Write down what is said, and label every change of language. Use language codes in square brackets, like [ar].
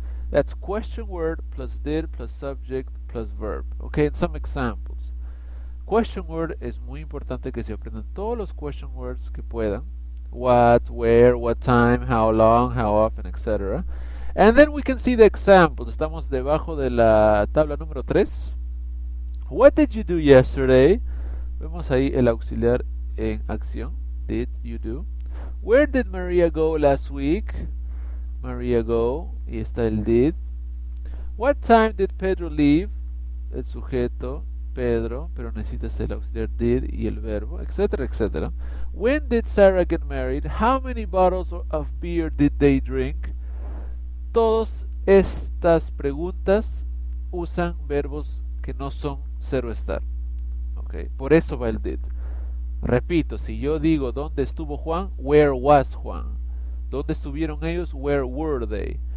[en] That's question word plus did plus subject plus verb. Okay, and some examples. [es] Question word es muy importante que se aprendan todos los question words que puedan. [en] What, where, what time, how long, how often, etc. And then we can see the examples. [es] Estamos debajo de la tabla número 3. [en] What did you do yesterday? [es] Vemos ahí el auxiliar en acción. [en] Did you do? Where did Maria go last week? Maria go. [es] Y está el [en] did. What time did Pedro leave? [es] El sujeto, Pedro, pero necesitas el auxiliar did y el verbo, etc., etc. [en] When did Sarah get married? How many bottles of beer did they drink? [es] Todas estas preguntas usan verbos que no son ser o estar. Okay. Por eso va el did. Repito, si yo digo dónde estuvo Juan, [en] where was Juan. [es] ¿Dónde estuvieron ellos? [en] Where were they?